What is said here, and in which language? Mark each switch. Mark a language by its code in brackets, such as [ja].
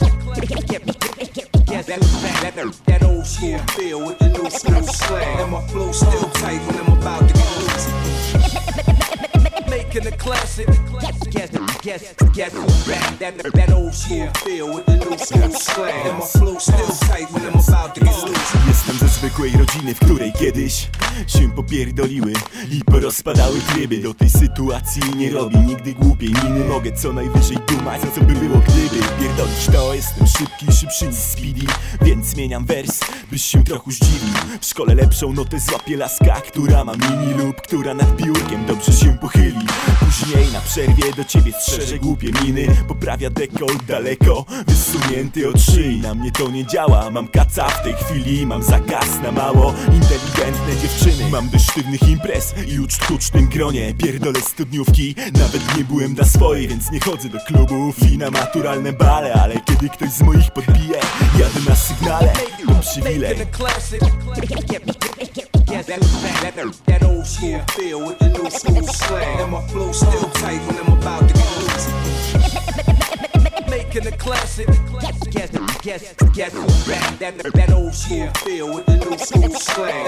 [en] That old school feel with the new school slang. And my flow still tight when I'm about to go. Making a classic. That old school feel with the new school slang. And my flow still tight when I'm about to go. [pl] Jestem ze zwykłej rodziny, w której kiedyś się popierdoliły i porozpadały tryby. Do tej sytuacji nie robi nigdy głupiej miny. Mogę co najwyżej dumać, a co by było gdyby. Pierdolisz to, jestem szybki, szybszy niż Speedy. Więc zmieniam wers, byś się trochę zdziwił. W szkole lepszą notę złapie laska, która ma mini lub która nad biurkiem dobrze się pochyli. Później na przerwie do ciebie strzeże głupie miny. Poprawia dekolt daleko, wysunięty od szyi. Na mnie to nie działa, mam kaca w tej chwili. Mam zakaz na mało inteligentne dziewczyny. Mam dość sztywnych imprez i uczt w tucznym gronie. Pierdolę studniówki, nawet nie byłem dla swojej. Więc nie chodzę do klubów i na naturalne bale. Ale kiedy ktoś z moich podbije, jadę na sygnale. Mam przywilej. [en] That old school feel with the new school slang. And my flow still tight when I'm about to go. Making a classic. That old school feel with the new school slang.